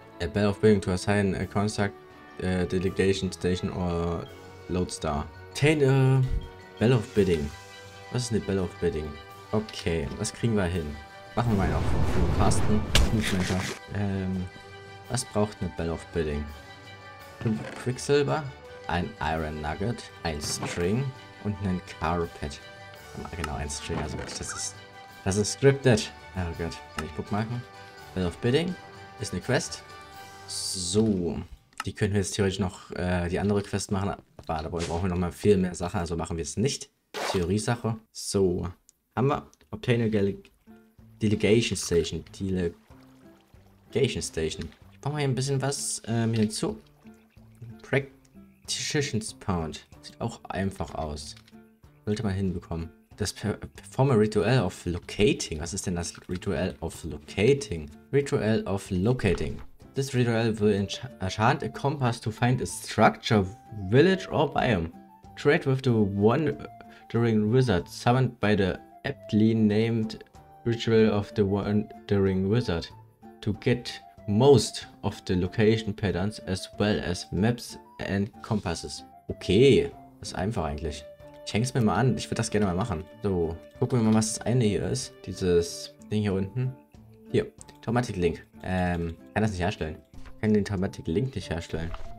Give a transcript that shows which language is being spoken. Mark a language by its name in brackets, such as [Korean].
[English] A Belt of Building to assign a construct, delegation station or lodestar. Obtain a Belt of Building. [German] Was ist eine Belt of Building? Okay, das kriegen wir hin. Machen wir mal noch für den Carsten. Was braucht eine Belt of Building? 5 Quicksilber, ein Iron Nugget, ein String und einen Carpet. Genau, ein String, also das ist scripted. Oh Gott, kann ich bookmarken? Bell of Bidding ist eine Quest. So, die können wir jetzt theoretisch noch die andere Quest machen. Aber dabei brauchen wir nochmal viel mehr Sachen, also machen wir es nicht. Theorie-Sache. So, haben wir. [English] Obtain a Delegation Station. Delegation Station. [German] Ich brauche mal hier ein bisschen was mit hinzu. Practitioner's Pound. Sieht auch einfach aus. Sollte man hinbekommen. [English] Das Perform a Ritual of Locating. [German] Was ist denn das Ritual of Locating? [English] Ritual of Locating. This ritual will enchant a compass to find a structure, village or biome. Trade with the Wandering Wizard, summoned by the aptly named Ritual of the Wandering Wizard, to get most of the location patterns as well as maps and compasses. [German] Okay, das ist einfach eigentlich. Ich häng's mir mal an, ich würde das gerne mal machen. So, gucken wir mal, was das eine hier ist. Dieses Ding hier unten. Hier, Traumatic Link. Kann das nicht herstellen. Kann den Traumatic Link nicht herstellen.